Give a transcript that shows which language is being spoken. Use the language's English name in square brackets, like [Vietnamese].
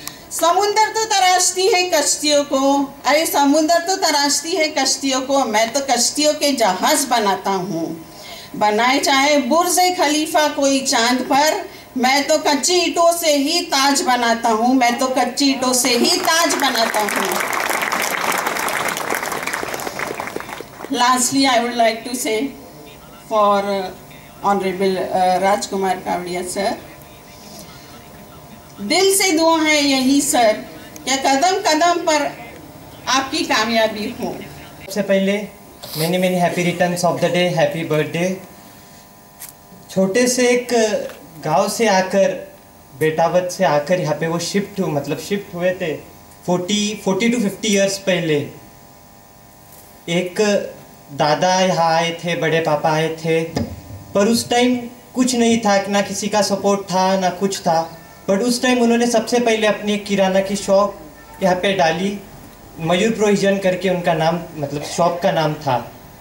[Hindi] समुंदर तो तराशती है कश्तियों को, अरे समुंदर तो तराशती है कश्तियों को, मैं तो कश्तियों के जहाज बनाता हूँ. बनाए चाहे बुर्ज़े खलीफा कोई चांद पर, मैं तो कच्ची ईंटों से ही ताज बनाता हूँ, मैं तो कच्ची ईंटों से ही ताज बनाता हूँ. [English] Lastly, I would like to say for Honorable Rajkumar Kavadiya sir, [Hindi] दिल से दुआ है यही सर कि कदम कदम पर आपकी कामयाबी हो. सबसे पहले [English] many many happy returns of the day, happy birthday. [Hindi] छोटे से एक गांव से आकर बेटावत से आकर यहाँ पे वो shift हुए, मतलब shift हुए थे [English] 40 to 50 years [Hindi] पहले. एक दादा यहाँ आए थे, बड़े पापा आए थे, पर उस टाइम कुछ नहीं था, ना किसी का सपोर्ट था ना कुछ था, बट उस टाइम उन्होंने सबसे पहले अपनी किराना की शॉप यहाँ पे डाली, मयूर प्रोविजन करके उनका नाम मतलब शॉप का नाम था.